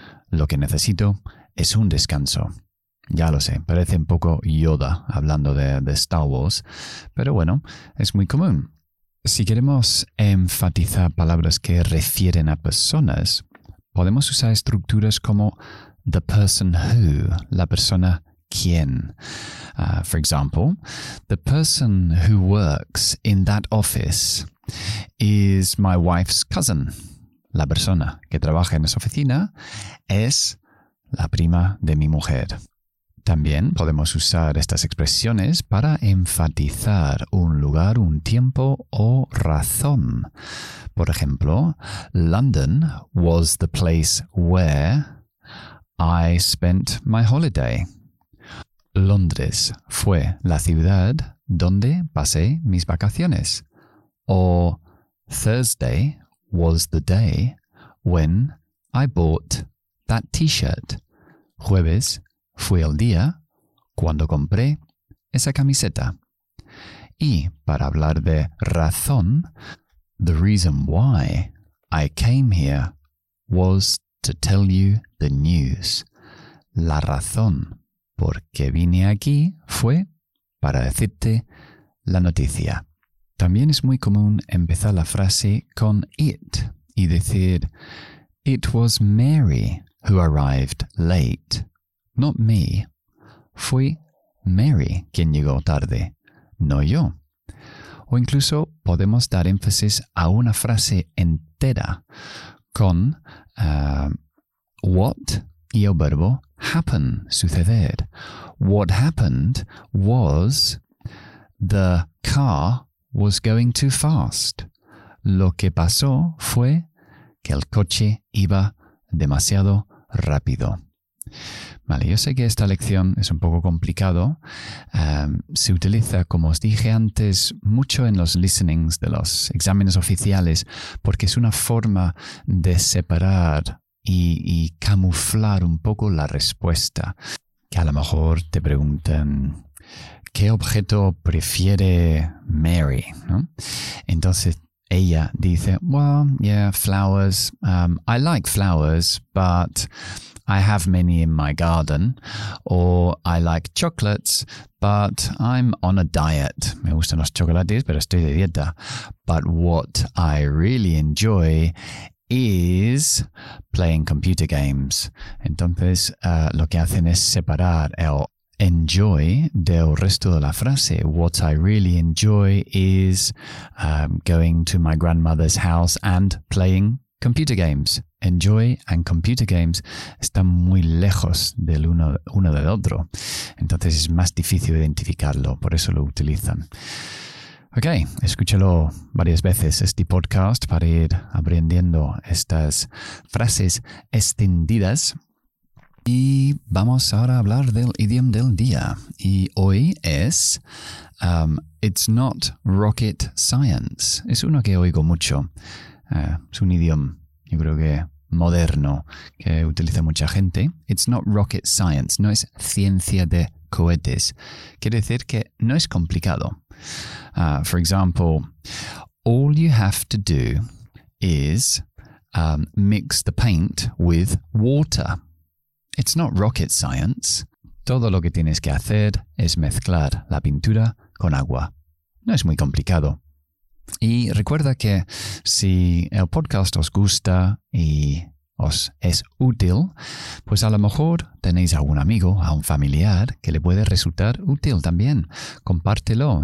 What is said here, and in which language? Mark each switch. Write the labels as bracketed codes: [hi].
[es] Lo que necesito es un descanso. Ya lo sé, parece un poco Yoda hablando de Star Wars, pero bueno, es muy común. Si queremos enfatizar palabras que refieren a personas, podemos usar estructuras como [en] the person who, [es] la persona quien. [en] For example, the person who works in that office is my wife's cousin. [es] La persona que trabaja en esa oficina es la prima de mi mujer. También podemos usar estas expresiones para enfatizar un lugar, un tiempo o razón. Por ejemplo, [en] London was the place where I spent my holiday. [es] Londres fue la ciudad donde pasé mis vacaciones. [en] O Thursday was the day when I bought that t-shirt. [es] Jueves fue el día cuando compré esa camiseta. Y para hablar de razón, [en] the reason why I came here was to tell you the news. [es] La razón por qué vine aquí fue para decirte la noticia. También es muy común empezar la frase con it y decir, [en] it was Mary who arrived late. Not me. [es] Fue Mary quien llegó tarde, no yo. O incluso podemos dar énfasis a una frase entera con what y el verbo happen, suceder. [en] What happened was the car was going too fast. [es] Lo que pasó fue que el coche iba demasiado rápido. Vale, yo sé que esta lección es un poco complicado. Se utiliza, como os dije antes, mucho en los listenings de los exámenes oficiales porque es una forma de separar y camuflar un poco la respuesta. Que a lo mejor te preguntan, ¿qué objeto prefiere Mary? ¿No? Entonces, ella dice, [en] well, yeah, flowers. I like flowers, but I have many in my garden. Or I like chocolates, but I'm on a diet. [es] Me gustan los chocolates, pero estoy de dieta. [en] But what I really enjoy is playing computer games. [es] Entonces, lo que hacen es separar el enjoy del resto de la frase. [en] What I really enjoy is going to my grandmother's house and playing computer games. Enjoy and computer games [es] están muy lejos del uno del otro. Entonces es más difícil identificarlo, por eso lo utilizan. Ok, escúchalo varias veces este podcast para ir aprendiendo estas frases extendidas. Y vamos ahora a hablar del idioma del día. Y hoy es, [en] it's not rocket science. [es] Es uno que oigo mucho. Es un idioma, yo creo que moderno, que utiliza mucha gente. [en] It's not rocket science. [es] No es ciencia de cohetes. Quiere decir que no es complicado. [en] For example, all you have to do is mix the paint with water. It's not rocket science. [es] Todo lo que tienes que hacer es mezclar la pintura con agua. No es muy complicado. Y recuerda que si el podcast os gusta y os es útil, pues a lo mejor tenéis a un amigo, a un familiar que le puede resultar útil también. Compártelo.